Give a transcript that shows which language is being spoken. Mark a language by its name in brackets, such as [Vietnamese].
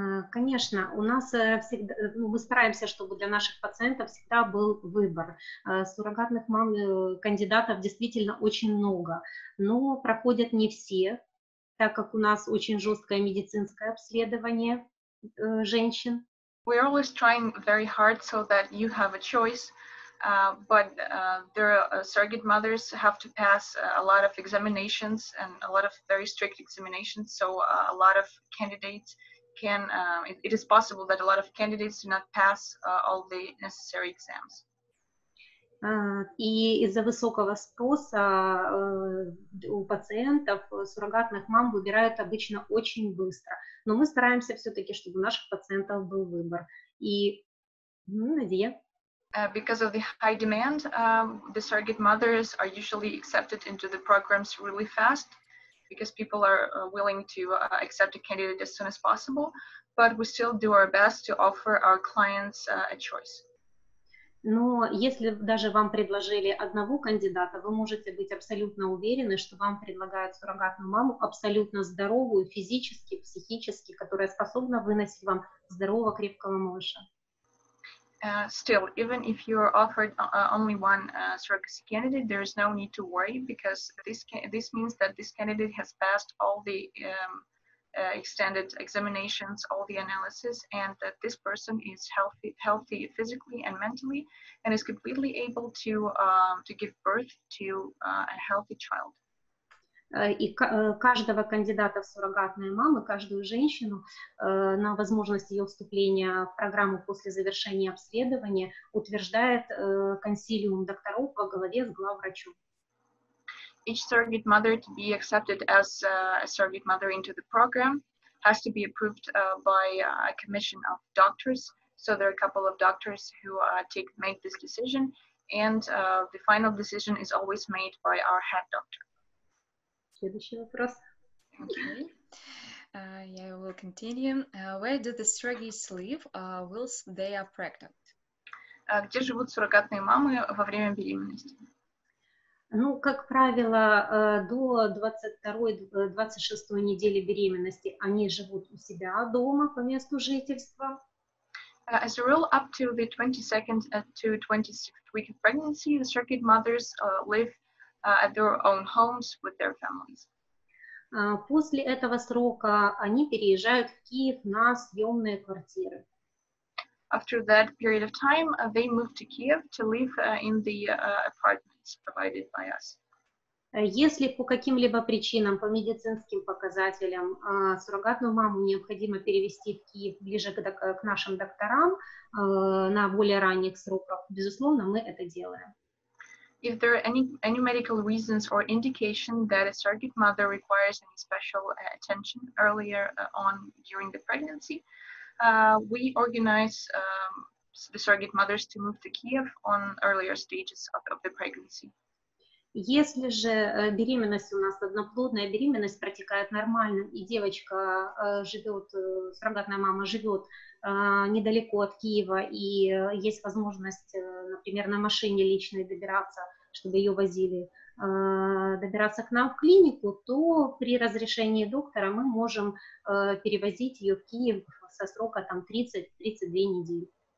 [Russian] Конечно, у нас всегда, ну, мы стараемся, чтобы для наших пациентов всегда был выбор. Суррогатных мам, кандидатов действительно очень много, но проходят не все, так как у нас очень жесткое медицинское обследование женщин. [English] We are always trying very hard so that you have a choice, but there are surrogate mothers have to pass a lot of examinations and a lot of very strict examinations, so a lot of candidates can it is possible that a lot of candidates do not pass all the necessary exams. [Russian] И из-за высокого спроса у пациентов суррогатных мам выбирают обычно очень быстро. Но мы стараемся все-таки, чтобы у наших пациентов был выбор. И Надя. [English] Because of the high demand, the surrogate mothers are usually accepted into the programs really fast, because people are willing to accept a candidate as soon as possible, but we still do our best to offer our clients a choice. [Russian] Но если даже вам предложили одного кандидата, вы можете быть абсолютно уверены, что вам предлагают суррогатную маму абсолютно здоровую, физически, психически, которая способна выносить вам здорового, крепкого малыша. [English] Still, even if you are offered only one surrogacy candidate, there is no need to worry, because this means that this candidate has passed all the extended examinations, all the analysis, and that this person is healthy physically and mentally, and is completely able to give birth to a healthy child. [Russian] и каждого кандидата в суррогатные мамы, каждую женщину на возможность ее вступления в программу после завершения обследования утверждает консилиум докторов во главе с главврачом. [English] Each surrogate mother to be accepted as a surrogate mother into the program has to be approved by a commission of doctors. So there are a couple of doctors who make this decision, and the final decision is always made by our head doctor. [Russian] Следующий вопрос. [English] Okay. Yeah, we'll continue. Where do the surrogates live whilst they are pregnant? [Russian] Где живут суррогатные мамы во время беременности? Ну, как правило, до 22-26 недели беременности они живут у себя дома по месту жительства. [English] As a rule, up to the 22nd to 26th week of pregnancy, the surrogate mothers live at their own homes with their families. [Russian] После этого срока они переезжают в Киев на съемные квартиры. [English] After that period of time, they move to Kiev to live in the apartments provided by us. [Russian] Если по каким-либо причинам, по медицинским показателям, суррогатную маму необходимо перевести в Киев ближе к нашим докторам на более ранних сроках, безусловно, мы это делаем. [English] If there are any medical reasons or indication that a surrogate mother requires any special attention earlier on during the pregnancy, we organize the surrogate mothers to move to Kiev on earlier stages of the pregnancy. [Russian] Если же беременность у нас одноплодная, беременность протекает нормально, и девочка живет, суррогатная мама живет недалеко от Киева, и есть возможность, например, на машине личной добираться, чтобы ее возили, добираться к нам в клинику, то при разрешении доктора мы можем перевозить ее в Киев со срока там 30-32 недели.